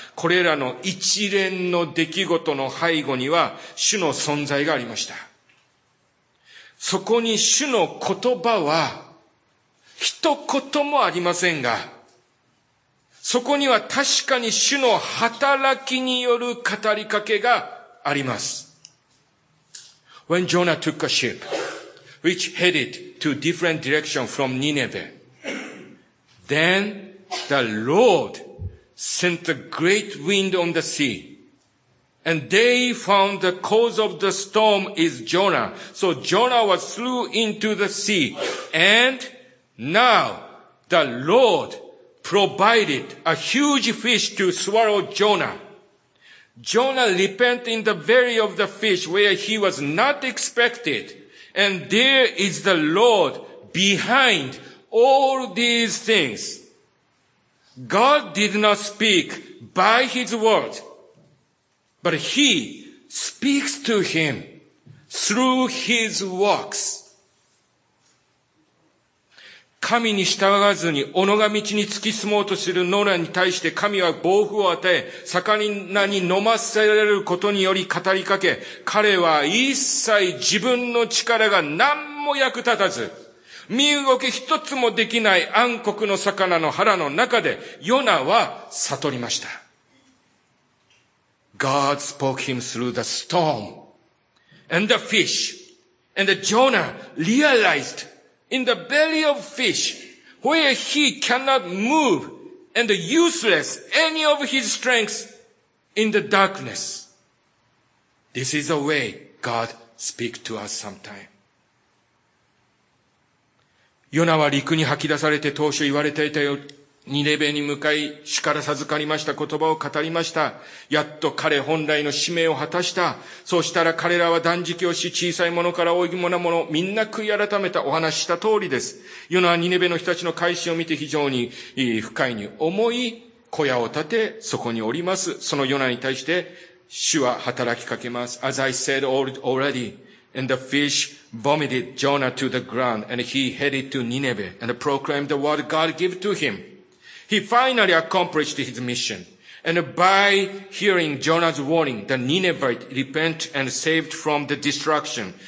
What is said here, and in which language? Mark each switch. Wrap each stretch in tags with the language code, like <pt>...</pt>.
<ja>これらの一連の出来事の背後には主の存在がありました。そこに主の言葉は一言もありませんが、そこには確かに主の働きによる語りかけがあります。</ja> <en>When Jonah took a ship, which headed to different direction from Nineveh, then the Lord sent a great wind on the sea, and they found the cause of the storm is Jonah. So Jonah was threw into the sea, and now the Lord provided a huge fish to swallow Jonah. Jonah repented in the belly of the fish where he was not expected. And there is the Lord behind all these things. God did not speak by his word, but he speaks to him through his works.</en> <ja>神に従わずに、己が道に突き進もうとするノラに対して神は暴風を与え、魚に飲ませられることにより語りかけ、彼は一切自分の力が何も役立たず、身動き一つもできない暗黒の魚の腹の中で、ヨナは悟りました。</ja> <en>God spoke him through the storm and the fish, and Jonah realized. In the belly of fish, where he cannot move and useless any of his strength in the darkness. This is the way God speaks to us sometime.</en> <ja>ヨナは陸に吐き出されて当初言われていたように、ニネベに向かい、主から授かりました言葉を語りました。やっと彼本来の使命を果たした。そうしたら彼らは断食をし、小さいものから大きなもの、みんな悔い改めた、お話した通りです。ヨナはニネベの人たちの改心を見て非常に不快に思い、小屋を建て、そこにおります。そのヨナに対して、主は働きかけます。</ja> <en>As I said already, and the fish vomited Jonah to the ground, and he headed to Nineveh, and proclaimed the word God gave to him. He finally accomplished his mission. And by hearing Jonah's warning, the Ninevites repent and saved from the destruction.</en>